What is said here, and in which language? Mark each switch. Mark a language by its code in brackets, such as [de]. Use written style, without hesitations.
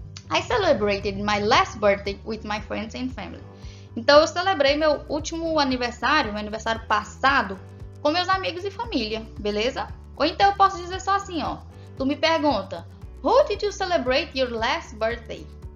[en] I celebrated my last birthday with my friends and family. [pt] Então, eu celebrei meu último aniversário, meu aniversário passado, com meus amigos e família, beleza? Ou então, eu posso dizer só assim, ó. Tu me pergunta, [en] who did you celebrate your last birthday?